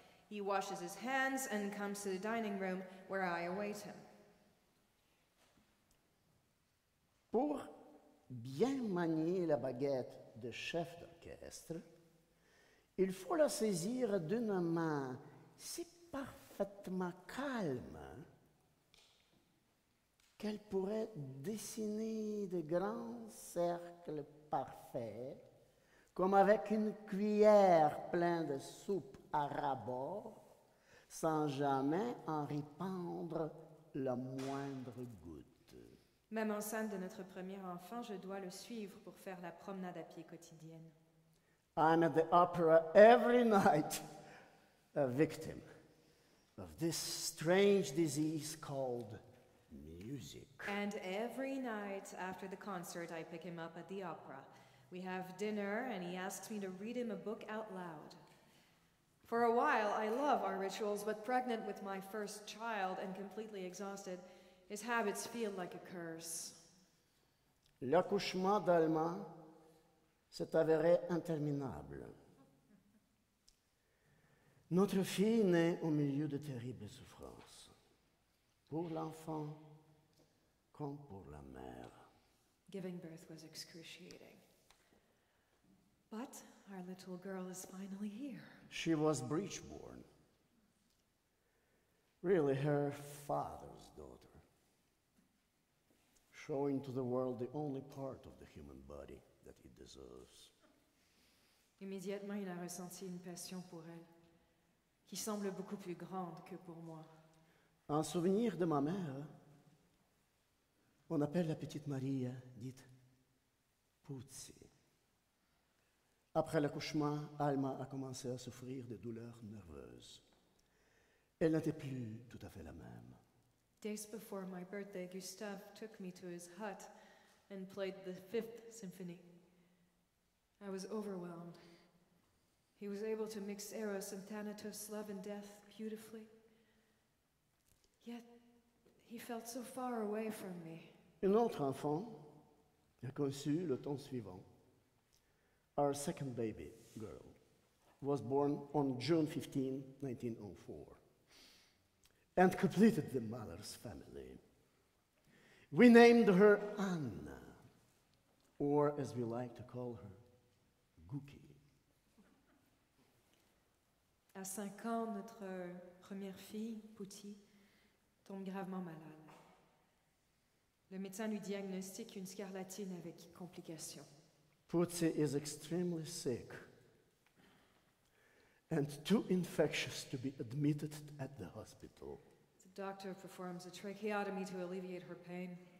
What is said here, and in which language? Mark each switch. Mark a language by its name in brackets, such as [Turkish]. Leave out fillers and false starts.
[English] He washes his hands and comes to the dining room, where I await him. [French] Pour bien manier la baguette de chef d'orchestre, il faut la saisir d'une main si parfaitement calme qu'elle pourrait dessiner de grands cercles parfaits, comme avec une cuillère pleine de soupe à ras-bord, sans jamais en répandre la moindre goutte. Même enceinte de notre premier enfant, je dois le suivre pour faire la promenade à pied quotidienne. [English] I'm at the opera every night, a victim of this strange disease called music. And every night after the concert, I pick him up at the opera. We have dinner, and he asks me to read him a book out loud. For a while, I love our rituals, but pregnant with my first child and completely exhausted, his habits feel like a curse. [French] L'accouchement d'Alma s'est avéré interminable. Notre fille naît au milieu de terribles souffrances. Pour l'enfant, comme pour la mère. [English] Giving birth was excruciating. But our little girl is finally here. She was breech-born. Really her father's daughter. Showing to the world the only part of the human body that it deserves. [French] Immédiatement, il a ressenti une passion pour elle qui semble beaucoup plus grande que pour moi. En souvenir de ma mère, on appelle la petite Maria, dite Puzzi. Après l'accouchement, Alma a commencé à souffrir de douleurs nerveuses. Elle n'était plus tout à fait la même. [English] Days before my birthday, Gustave took me to his hut and played the Fifth Symphony. I was overwhelmed. He was able to mix Eros and Thanatos, love and death, beautifully. Yet, he felt so far away from me. [French] Une autre enfant est conçue le temps suivant. [English] Our second baby girl was born on June 15, 1904, and completed the mother's family. We named her Anna, or as we like to call her, Gookie. [French] À 5 ans, notre première fille, Pouty, tombe gravement malade. Le médecin lui diagnostique une scarlatine avec complications. [English] Puzzi is extremely sick and too infectious to be admitted at the hospital. The doctor performs a tracheotomy to alleviate her pain.